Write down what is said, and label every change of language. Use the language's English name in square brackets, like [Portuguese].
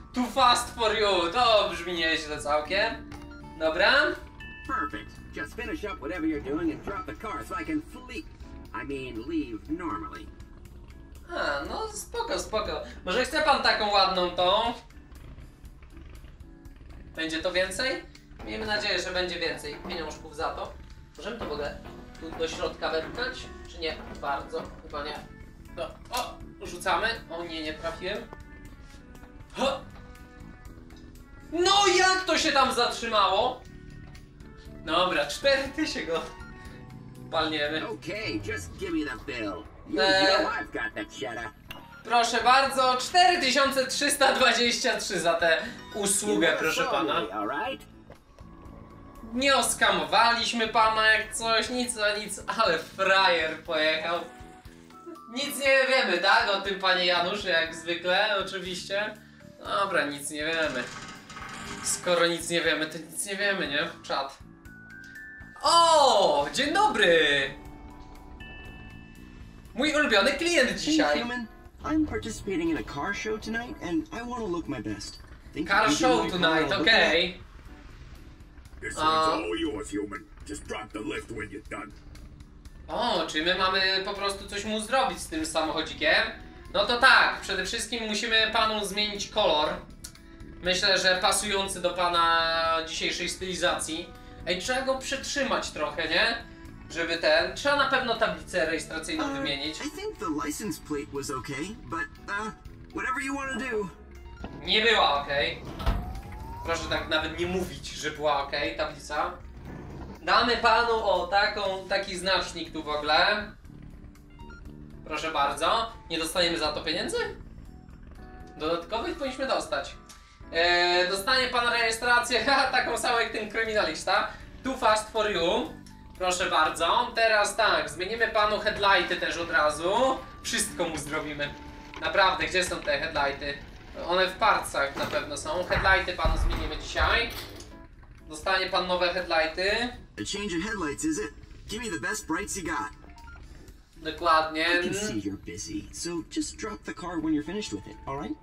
[English] Too fast for you. [Polish] To brzmi nieźle całkiem. Dobra. Perfect. [English] Just finish up whatever you're doing and drop the car so I can flee. I mean, leave normally. [Polish] A, no spoko, spoko. Może chce pan taką ładną tą? Będzie to więcej? Miejmy nadzieję, że będzie więcej pieniążków za to. Możemy to w ogóle tu do środka wepchnąć? Czy nie? Bardzo. Chyba nie. To, o, rzucamy. O nie, nie trafiłem. Ho! No jak to się tam zatrzymało? Dobra, 4000 go palniemy. [English] Okay, just give me the bill. You know I've got that cheddar. [Polish] Proszę bardzo, 4323 za tę usługę, proszę pana. Nie oskamowaliśmy pana jak coś, nic za nic, ale frajer pojechał. Nic nie wiemy, tak? O tym panie Januszu, jak zwykle, oczywiście. Dobra, nic nie wiemy. Skoro nic nie wiemy, to nic nie wiemy, nie? Czat. O! Dzień dobry! Mój ulubiony klient dzisiaj. [English] I'm participating in a car show tonight and I want to look my best. Think car show tonight, okay. This one's all yours, human. Just drop the lift when you're done. [Polish] O, czyli my mamy po prostu coś mu zrobić z tym samochodzikiem? No to tak, przede wszystkim musimy panu zmienić kolor. Myślę, że pasujący do pana dzisiejszej stylizacji. Ej, trzeba go przetrzymać trochę, nie? Żeby ten, trzeba na pewno tablicę rejestracyjną wymienić. [English] I think the license plate was okay, but whatever you wanna do. [Polish] Nie była okej. Okay. Proszę tak nawet nie mówić, że była okej, okay, tablica. Damy panu o taki znacznik tu w ogóle. Proszę bardzo. Nie dostaniemy za to pieniędzy? Dodatkowych powinniśmy dostać. Dostanie pan rejestrację taką samą jak ten kryminalista. [English] Too fast for you. [Polish] Proszę bardzo, teraz tak, zmienimy panu headlighty też od razu. Wszystko mu zrobimy. Naprawdę, gdzie są te headlighty? One w parcach na pewno są. Headlighty panu zmienimy dzisiaj. Dostanie pan nowe headlighty. [English] A change of headlights, is it? Give me the best brights you got. Dokładnie. I can see you're busy, so just drop the car when you're finished with it, alright?